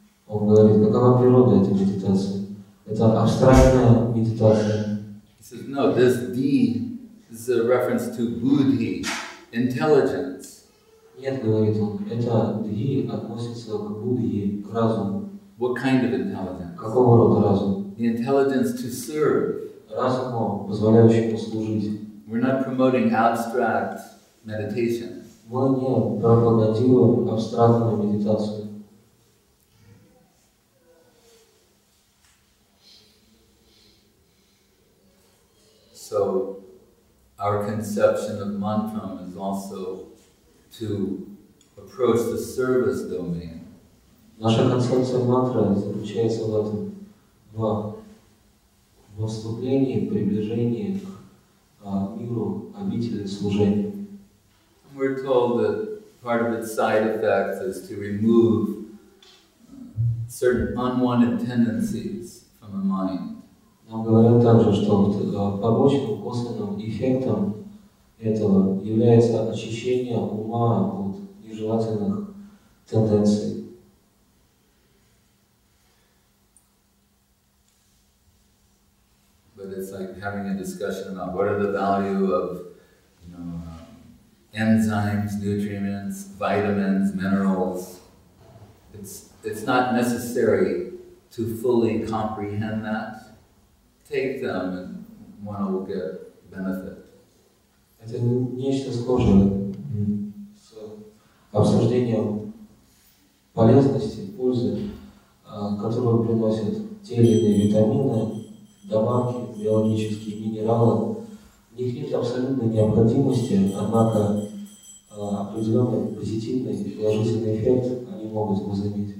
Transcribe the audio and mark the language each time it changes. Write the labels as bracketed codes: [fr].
[ru] Он говорит, какова природа этой медитации? Это абстрактная медитация. [en] He says, no, this di is a reference to buddhi, intelligence. [ru] Нет, говорит он, это di относится к buddhi, к разуму. [en] What kind of intelligence? [ru] Какого рода разум? [en] The intelligence to serve. [ru] Разуму, позволяющему служить. [en] We're not promoting abstract meditation. [ru] Мы не пропагандируем абстрактную медитацию. [en] So, our conception of mantram is also to approach the service domain. [ru] Наша концепция мантра заключается в этом, в вступлении, в приближении к миру обители служения. [en] We're told that part of its side effects is to remove certain unwanted tendencies from the mind. [ru] Нам говорят также, что побочным косвенным эффектом этого является очищение ума от нежелательных тенденций. [en] But it's like having a discussion about what are the value of enzymes, nutrients, vitamins, minerals. It's not necessary to fully comprehend that. Take them and one will get benefit. [ru] Это нечто схожее с обсуждением полезности, пользы, которую приносят те или иные витамины, добавки, биологические минералы. В них нет абсолютной необходимости, однако определенный позитивный и положительный эффект они могут возыметь.